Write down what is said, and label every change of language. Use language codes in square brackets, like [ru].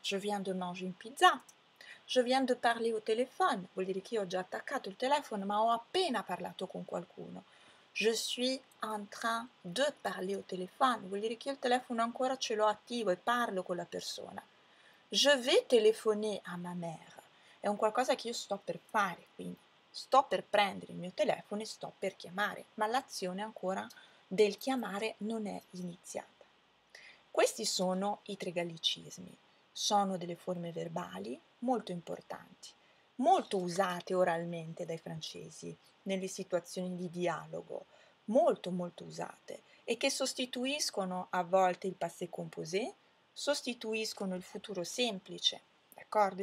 [fr] Je viens de manger une pizza. Je viens de parler au téléphone. [it] Vuol dire che io ho già attaccato il telefono ma ho appena parlato con qualcuno. [fr] Je suis en train de parler au téléphone. [it] Vuol dire che io il telefono ancora ce l'ho attivo e parlo con la persona. [fr] Je vais téléphoner à ma mère. [it] È un qualcosa che io sto per fare, quindi sto per prendere il mio telefono e sto per chiamare, ma l'azione ancora del chiamare non è iniziata. Questi sono i tre gallicismi, sono delle forme verbali molto importanti, molto usate oralmente dai francesi nelle situazioni di dialogo, molto molto usate, e che sostituiscono a volte il passé composé, sostituiscono il futuro semplice, d'accordo?